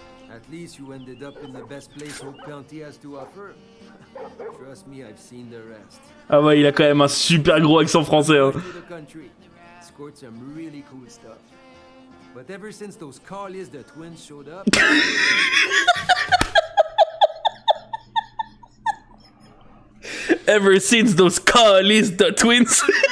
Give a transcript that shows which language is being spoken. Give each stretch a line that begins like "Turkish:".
English: At least you ended up in the best place Hope County has to offer. Trust me, I've seen the rest.
French: Ah ouais, il a quand même un super gros accent français, hein.
English: Scored some really cool stuff. But ever since those Carlys the twins showed up. Ever since those Carlys the twins.